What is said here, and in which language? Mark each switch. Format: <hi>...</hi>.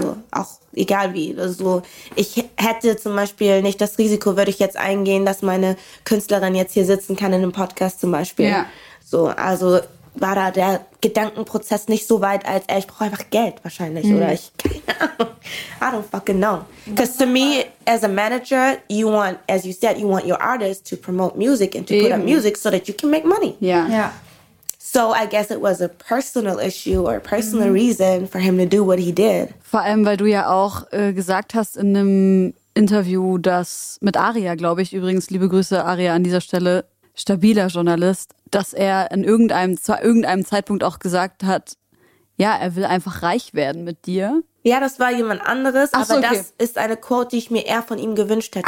<de>So, auch egal wie. Also, ich hätte zum Beispiel nicht das Risiko, würde ich jetzt eingehen, dass meine Künstlerin jetzt hier sitzen kann in einem Podcast zum Beispiel. Ja. So, also war da der Gedankenprozess nicht so weit, als ey, ich brauche einfach Geld wahrscheinlich. Mhm. Oder ich, keine Ahnung,</de> <en>I don't fucking know. Because to me, as a manager, you want, as you said, you want your artist to promote music and to put up music so that you can make money.</en> <de>Ja. Ja.</de> <en>So I guess it was a personal issue or a personal reason for him to do what he did.</en> <de>Vor allem, weil du ja auch gesagt hast in einem Interview, dass mit Aria, glaube ich, übrigens, liebe Grüße Aria an dieser Stelle, stabiler Journalist, dass er in irgendeinem Zeitpunkt auch gesagt hat, ja, er will einfach reich werden mit dir. Ja, das war jemand anderes, ach so, aber okay. Das ist eine Quote, die ich mir eher von ihm gewünscht hätte.</de>